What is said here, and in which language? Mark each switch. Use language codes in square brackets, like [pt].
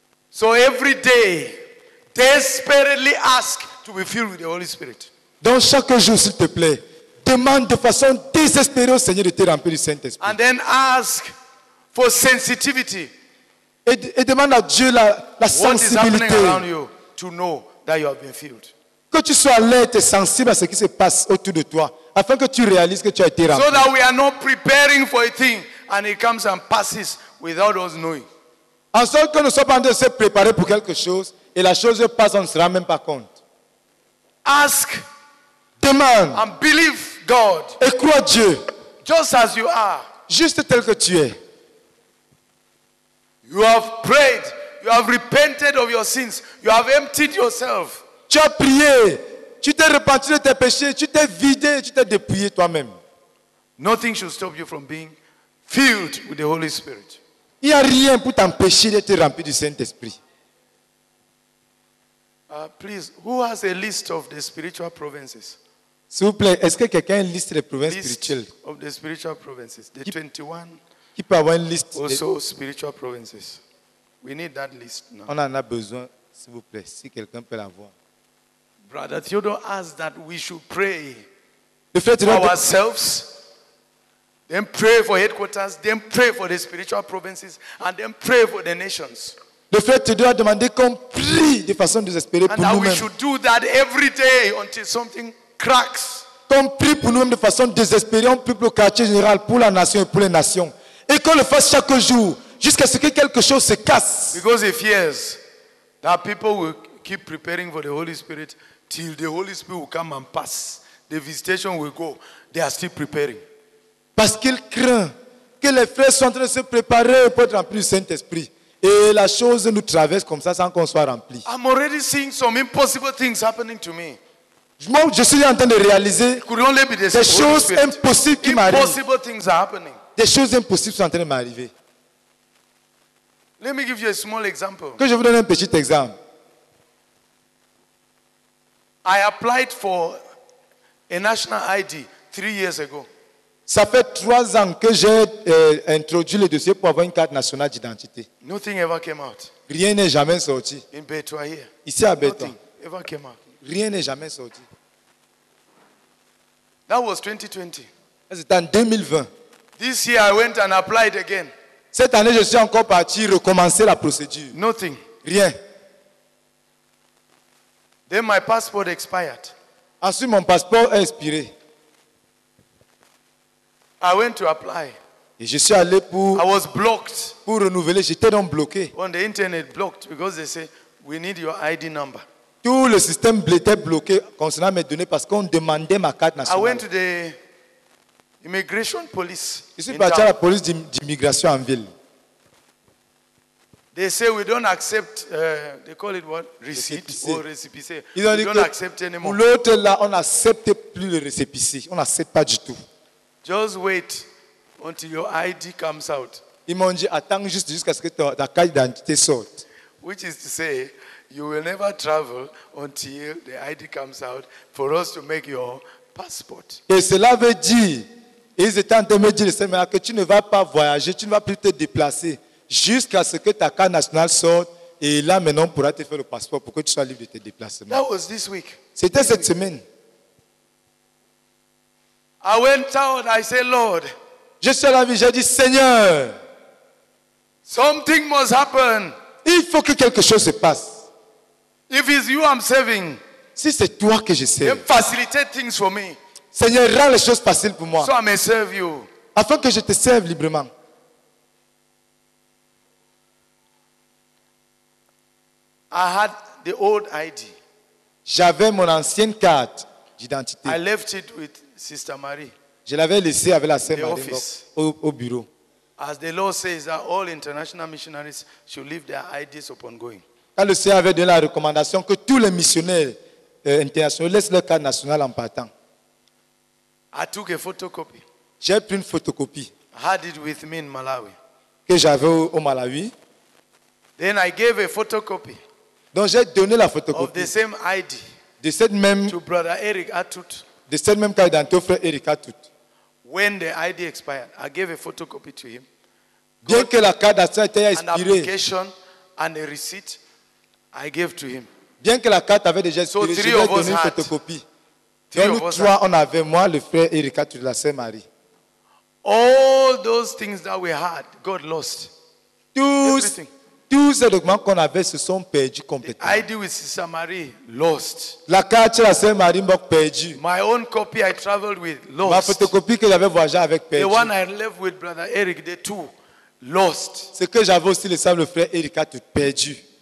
[en] So every day, desperately ask to be filled with the Holy Spirit. [fr] Donc chaque jour, s'il te plaît, demande de façon désespérée au Seigneur de te remplir du Saint-Esprit. [en] And then ask for sensitivity. [fr] Et demande à Dieu la sensibilité. [en] What is happening around you to know that you have been filled. [fr] Que tu sois alerte et sensible à ce qui se passe autour de toi, afin que tu réalises que tu as été rempli. [en] So that we are not preparing for a thing and it comes and passes without us knowing. [fr] En sorte que nous sommes en train de se préparer pour quelque chose et la chose passe, on ne se rend même pas compte. [en] Ask, [fr] demande, [en] and believe God. [fr] Et crois Dieu. [en] Just as you are. [fr] Juste tel que tu es. [en] You have prayed. You have repented of your sins. You have emptied yourself. [fr] Tu as prié. Tu t'es repenti de tes péchés. Tu t'es vidé. Tu t'es dépouillé toi-même. [en] Nothing should stop you from being filled with the Holy Spirit. [fr] Il n'y a rien pour t'empêcher d'être rempli du Saint-Esprit. [en] Please, who has a list of the spiritual provinces? [fr] S'il vous plaît, est-ce que quelqu'un a une liste des provinces spirituelles? [en] List of the spiritual provinces. The 21. [fr] Qui peut avoir une liste [en] also de... spiritual provinces. We need that list now. [fr] On en a besoin, s'il vous plaît, si quelqu'un peut l'avoir. [en] Brother Theodore asked that we should pray for ourselves, then pray for headquarters, then pray for the spiritual provinces, and then pray for the nations. [fr] Le frère Théodore a demandé qu'on prie de façon désespérée pour nous-mêmes. [en] And that we should do that every day until something cracks. [fr] Qu'on prie pour nous-mêmes de façon désespérée, on prie pour le quartier général, pour la nation et pour les nations. Et qu'on le fasse chaque jour, jusqu'à ce que quelque chose se casse. [en] Because he fears that people will keep preparing for the Holy Spirit till the Holy Spirit will come and pass. The visitation will go. They are still preparing. [fr] Parce qu'il craint que les frères soient en train de se préparer pour être remplis du Saint-Esprit. Et la chose nous traverse comme ça sans qu'on soit rempli. [en] I'm already seeing some impossible things happening to me. [fr] Moi, je suis en train de réaliser des choses impossibles qui m'arrivent. [en] Impossible things are happening. [fr] Des choses impossibles sont en train de m'arriver. [en] Let me give you a small example. [fr] Que je vous donne un petit exemple. [en] I applied for a national ID 3 years ago. [fr] Ça fait 3 ans que j'ai introduit le dossier pour avoir une carte nationale d'identité. [en] Nothing ever came out. [fr] Rien n'est jamais sorti. [en] In Betoua here. [fr] Ici à Betoua. [en] Nothing ever came out. [fr] Rien n'est jamais sorti. [en] That was 2020. [fr] C'était en 2020. [en] This year I went and applied again. [fr] Cette année, je suis encore parti recommencer la procédure. [en] Nothing. [fr] Rien. [en] Then my passport expired. [fr] Ensuite, mon passeport a expiré. [en] I went to apply. [fr] Et je suis allé pour. [en] I was blocked. [fr] Pour renouveler, j'étais donc bloqué. [en] On the internet blocked because they say we need your ID number. [fr] Tout le système était bloqué concernant mes données parce qu'on demandait ma carte nationale. [en] I went to the immigration police. [fr] Je suis parti à la police d'immigration en ville. [en] They say we don't accept. They call it what? Récépissé. Récépissé. [fr] Ils ont dit [en] we don't accept anymore. [fr] Pour l'autre là, on n'accepte plus le récépissé. On n'accepte pas du tout. [en] Just wait until your ID comes out. [fr] Ils m'ont dit, attends juste jusqu'à ce que ta carte d'identité sorte. [en] Which is to say, you will never travel until the ID comes out for us to make your passport. [fr] Et cela veut dire, ils étaient en train de me dire, Seigneur, que tu ne vas pas voyager, tu ne vas plus te déplacer jusqu'à ce que ta carte nationale sorte. Et là, maintenant, on pourra te faire le passeport pour que tu sois libre de tes déplacements. [en] That was this week. [fr] C'était cette semaine. [en] I went out, I said, Lord. [fr] Je suis à la vie, j'ai dit, Seigneur. [en] Something must happen. [fr] Il faut que quelque chose se passe. [en] If it's you I'm serving. [fr] Si c'est toi que je sers. [en] Facilitate things for me. [fr] Seigneur, rends les choses faciles pour moi. [en] So I may serve you. [fr] Afin que je te serve librement. [en] I had the old ID. [fr] J'avais mon ancienne carte d'identité. [en] I left it with Sister Marie. [fr] Je l'avais laissé avec la sœur Marie au bureau. [en] As the law says that all international missionaries should leave their IDs upon going. [fr] Quand le Seigneur avait donné la recommandation que tous les missionnaires internationaux laissent leur carte nationale en partant. [en] I took a photocopy. [fr] J'ai pris une photocopie. [en] I had it with me in Malawi. [fr] Que j'avais au Malawi. [en] Then I gave a photocopy. [fr] Donc j'ai donné la photocopie. [en] Of the same ID. [fr] De cette même. [en] To Brother Eric Atout. [fr] De cette même carte d'identité au frère Eric Atout. [en] When the ID expired, I gave a photocopy to him. [fr] Bien que la carte d'identité ait expiré. [en] An application and a receipt. I gave to him. [fr] Bien que la carte avait déjà expiré, [en] so [fr] je lui ai donné une photocopie. Donc nous trois, on avait moi, le frère Erika, toute la sœur Marie. [en] All those things that we had, God lost. [fr] Tous ces documents qu'on avait se sont perdus complètement. [en] The ID with Sister Marie, lost. [fr] La carte de la sœur Marie m'a perdu. [en] My own copy I traveled with, lost. [fr] Ma photocopie que j'avais voyagé avec, perdu. [en] The one I left with Brother Eric, the two, lost. [fr] Ce que j'avais aussi laissé avec le frère Erika, tout perdu.